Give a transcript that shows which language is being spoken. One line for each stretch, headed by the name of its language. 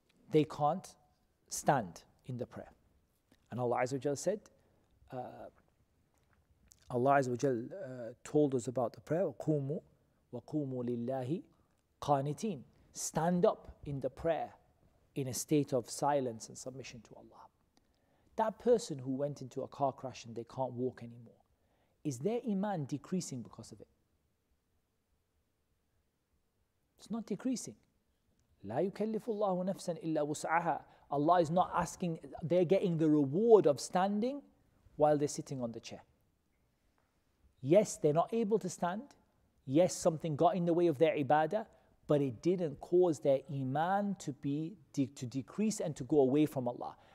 English: They can't stand in the prayer. And Allah Azza wa Jal said, Allah Azza wa Jal told us about the prayer,
Arabic: وَقُومُوا وَقُومُوا لِلَّهِ قَانِتِينَ.
English: Stand up in the prayer in a state of silence and submission to Allah. That person who went into a car crash and they can't walk anymore, is their iman decreasing because of it? It's not decreasing.
Arabic: لا يكلف الله نفسا إلا وسعها.
English: Allah is not asking, they're getting the reward of standing while they're sitting on the chair. Yes, they're not able to stand. Yes, something got in the way of their ibadah, but it didn't cause their iman to decrease and to go away from Allah.